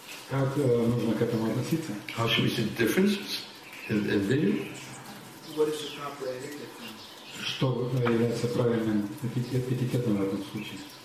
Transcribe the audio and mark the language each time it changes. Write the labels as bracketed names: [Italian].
[Russian] Как нужно к этому относиться? [English] How should we see the differences in view? What is the proper etiquette? [Russian] Что является правильным этикетом в этом случае?